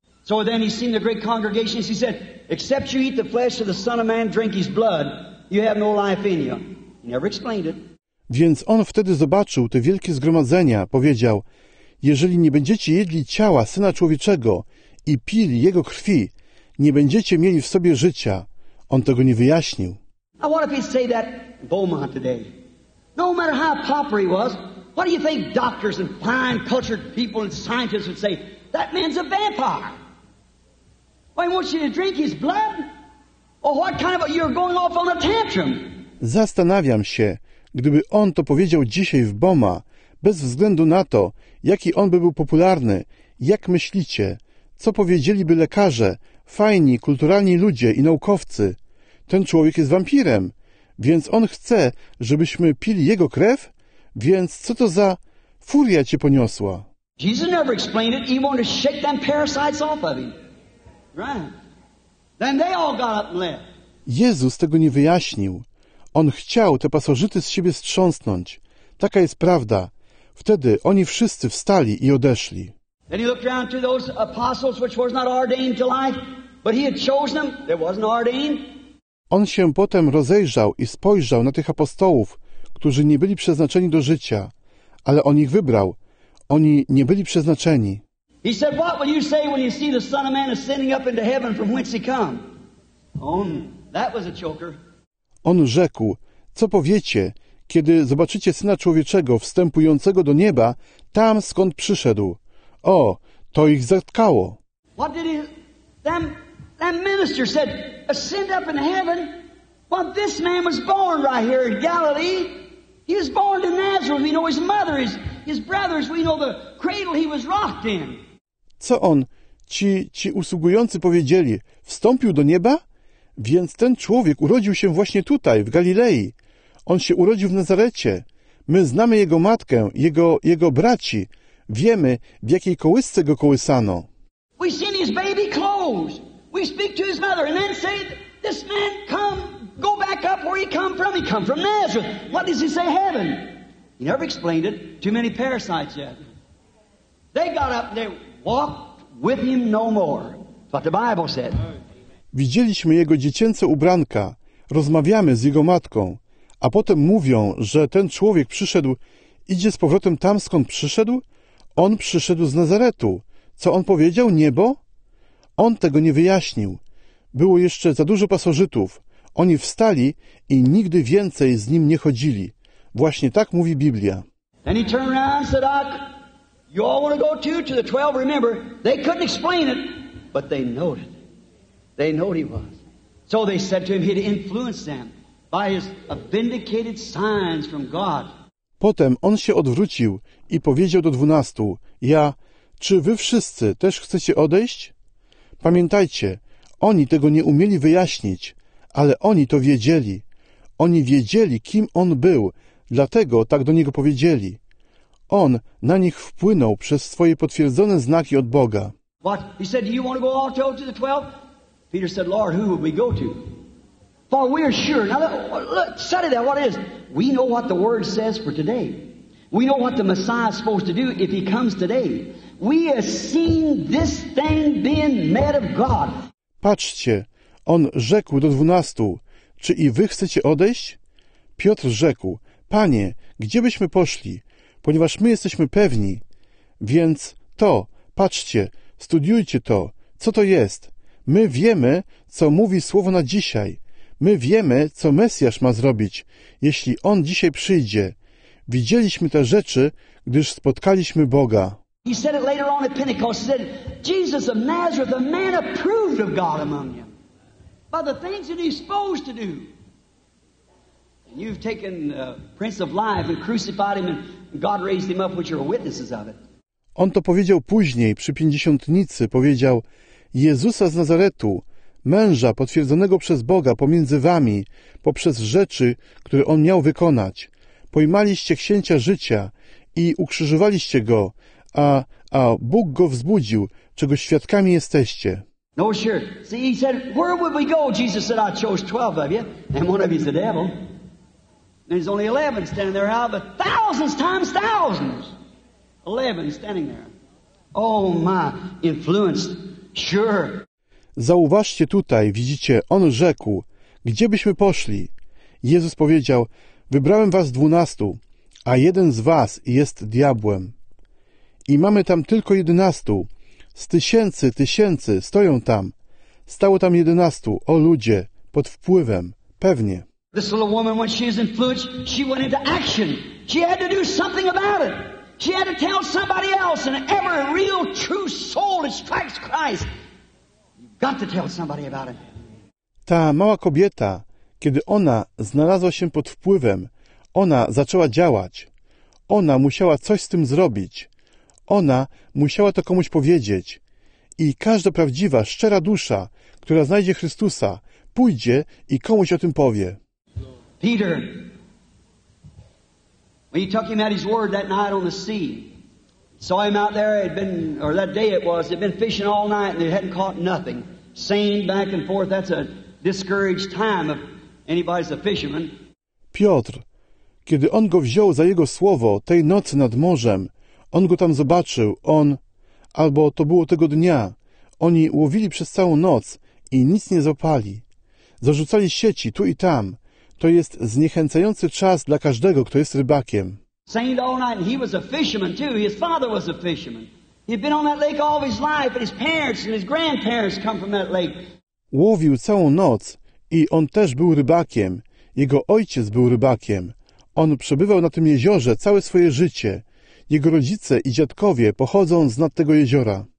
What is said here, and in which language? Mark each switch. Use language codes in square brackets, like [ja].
[en] So then he seen the great congregations, he said, except you eat the flesh of the Son of Man, drink his blood, you have no life in you. He never explained it. [pl] Więc on wtedy zobaczył te wielkie zgromadzenia, powiedział, jeżeli nie będziecie jedli ciała Syna Człowieczego i pili Jego krwi, nie będziecie mieli w sobie życia. On tego nie wyjaśnił. [en] Now what if he'd say that in Beaumont today? No matter how popular he was, what do you think doctors and fine cultured people and scientists would say, that man's a vampire. Why won't you drink his blood? Or what kind of a, you're going off on a tantrum? [pl] Zastanawiam się, gdyby on to powiedział dzisiaj w Boma, bez względu na to, jaki on by był popularny, jak myślicie, co powiedzieliby lekarze, fajni, kulturalni ludzie i naukowcy? Ten człowiek jest wampirem, więc on chce, żebyśmy pili jego krew? Więc co to za furia cię poniosła? [en] Jesus never explained it. He wanted to shake them parasites off of him. Right. Then they all got up and left. [pl] Jezus tego nie wyjaśnił. On chciał te pasożyty z siebie strząsnąć. Taka jest prawda. Wtedy oni wszyscy wstali i odeszli. [en] Then he looked around to those apostles which was not ordained to life, but he had chosen them. There wasn't ordained. [pl] On się potem rozejrzał i spojrzał na tych apostołów, którzy nie byli przeznaczeni do życia, ale on ich wybrał. Oni nie byli przeznaczeni. [en] He said, what will you say when you see the Son of Man ascending up into heaven from whence he come? Oh, that was a choker. [pl] On rzekł, co powiecie, kiedy zobaczycie Syna Człowieczego wstępującego do nieba, tam skąd przyszedł? O, to ich zatkało. [en] What did he... That minister said, ascend up in heaven. Well, this man was born right here in Galilee. He was born in Nazareth. We know his mother, his brothers. We know the cradle he was rocked in. [pl] Co on, ci usługujący powiedzieli, wstąpił do nieba? Więc ten człowiek urodził się właśnie tutaj, w Galilei. On się urodził w Nazarecie. My znamy jego matkę, jego braci. Wiemy, w jakiej kołysce go kołysano. [en] We seen his baby clothes. We speak to his mother and then say, this man come, go back up where he come from. He come from Nazareth. What does he say, heaven? He never explained it. Too many parasites yet. They got up and they walked with him no more. That's what the Bible said. [pl] Widzieliśmy jego dziecięce ubranka. Rozmawiamy z jego matką. A potem mówią, że ten człowiek przyszedł, idzie z powrotem tam, skąd przyszedł? On przyszedł z Nazaretu. Co on powiedział? Niebo? On tego nie wyjaśnił. Było jeszcze za dużo pasożytów. Oni wstali i nigdy więcej z nim nie chodzili. Właśnie tak mówi Biblia. [en] And he turned around and said, you all want to go to the 12, remember? They couldn't explain it, but they know it. They know he was. So they said to him, he'd influence them by his vindicated signs from God. [pl] Potem on się odwrócił i powiedział do 12, ja, czy wy wszyscy też chcecie odejść? Pamiętajcie, oni tego nie umieli wyjaśnić, ale oni to wiedzieli. Oni wiedzieli, kim on był, Dlatego tak do Niego powiedzieli. On na nich wpłynął przez swoje potwierdzone znaki od Boga. [en] What? He said, do you want to go also to the 12? Peter said, Lord, who will we go to? For we are sure. Now look, study that. What is it? We know what the word says for today. We know what the Messiah is supposed to do if he comes today. We have seen this thing being met of God. [pl] Patrzcie, on rzekł do 12, czy i wy chcecie odejść? Piotr rzekł, Panie, gdzie byśmy poszli? Ponieważ my jesteśmy pewni. Więc to, patrzcie, studiujcie to, co to jest. My wiemy, co mówi słowo na dzisiaj. My wiemy, co Mesjasz ma zrobić, jeśli On dzisiaj przyjdzie. Widzieliśmy te rzeczy, gdyż spotkaliśmy Boga. [en] He said it later on at Pentecost. He said, Jesus of Nazareth, the man approved of God among you by the things that he's supposed to do. And you've taken the Prince of Life and crucified him and God raised him up, which are witnesses of it. [pl] On to powiedział później, przy Pięćdziesiątnicy, powiedział, Jezusa z Nazaretu, męża potwierdzonego przez Boga pomiędzy wami, poprzez rzeczy, które on miał wykonać. Pojmaliście księcia życia i ukrzyżowaliście go, a Bóg go wzbudził, czego świadkami jesteście. [en] No, sure. See, he said, where would we go? Jesus said, I chose 12 of you, and one of you is the devil. And there's only 11 standing there out of the thousands times thousands. 11 standing there. Oh, my, influenced. Sure. [pl] Zauważcie tutaj, widzicie, on rzekł, gdzie byśmy poszli? Jezus powiedział, wybrałem was 12, a jeden z was jest diabłem. I mamy tam tylko 11. Z tysięcy, tysięcy stoją tam. Stało tam 11, o ludzie, pod wpływem, pewnie. [en] This little woman, when she was influenced, she went into action. She had to do something about it. She had to tell somebody else, and every real, true soul that strikes Christ. Got to tell somebody about it. [pl] Ta mała kobieta, kiedy ona znalazła się pod wpływem, ona zaczęła działać. Ona musiała coś z tym zrobić. Ona musiała to komuś powiedzieć. I każda prawdziwa, szczera dusza, która znajdzie Chrystusa, pójdzie i komuś o tym powie. [en] Peter, when he took him at his word that night on the sea, saw him out there, had been fishing all night and they hadn't caught nothing. Seine back and forth, that's a discouraged time if anybody's a fisherman. [pl] Piotr, kiedy on go wziął za jego słowo tej nocy nad morzem, on go tam zobaczył, on, albo to było tego dnia, oni łowili przez całą noc i nic nie złapali. Zarzucali sieci tu i tam. To jest zniechęcający czas dla każdego, kto jest rybakiem. [en] Seine all night, and he was a fisherman too. His father was a fisherman. He'd been on that lake all his life, and his parents and his grandparents come from that lake. [pl] Łowił całą noc i on też był rybakiem. Jego ojciec był rybakiem. On przebywał na tym jeziorze całe swoje życie. Jego rodzice i dziadkowie pochodzą z nad tego jeziora.